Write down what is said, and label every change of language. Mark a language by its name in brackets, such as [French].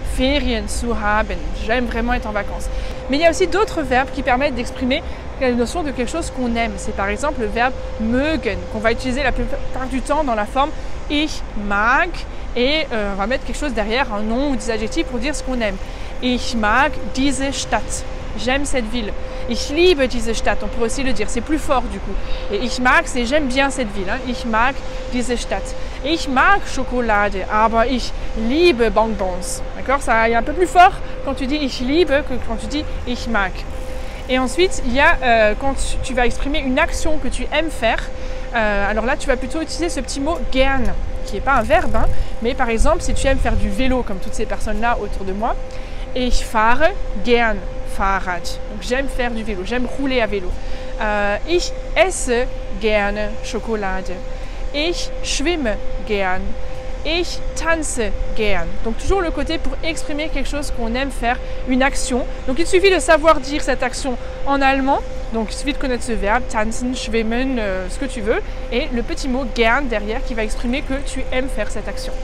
[German] Ferien zu haben, [French] j'aime vraiment être en vacances. Mais il y a aussi d'autres verbes qui permettent d'exprimer la notion de quelque chose qu'on aime. C'est par exemple le verbe mögen, qu'on va utiliser la plupart du temps dans la forme ich mag, et on va mettre quelque chose derrière, un nom ou des adjectifs pour dire ce qu'on aime. [German] Ich mag diese Stadt, [French] j'aime cette ville. [German] Ich liebe diese Stadt, [French] on pourrait aussi le dire, c'est plus fort du coup. Et ich mag, c'est j'aime bien cette ville, hein. [German] Ich mag diese Stadt. Ich mag Schokolade, aber ich liebe Bonbons. [French] D'accord, ça est un peu plus fort quand tu dis ich liebe que quand tu dis ich mag. Et ensuite, il y a quand tu vas exprimer une action que tu aimes faire. Alors là, tu vas plutôt utiliser ce petit mot gern, qui n'est pas un verbe, hein, mais par exemple, si tu aimes faire du vélo comme toutes ces personnes-là autour de moi, [German] ich fahre gern Fahrrad. [French] Donc j'aime faire du vélo, j'aime rouler à vélo. [German] Ich esse gern Schokolade. Ich schwimme gern. Ich tanze gern. [French] Donc toujours le côté pour exprimer quelque chose qu'on aime faire, une action. Donc il suffit de savoir dire cette action en allemand. Donc il suffit de connaître ce verbe, tanzen, schwimmen, ce que tu veux. Et le petit mot gern derrière qui va exprimer que tu aimes faire cette action.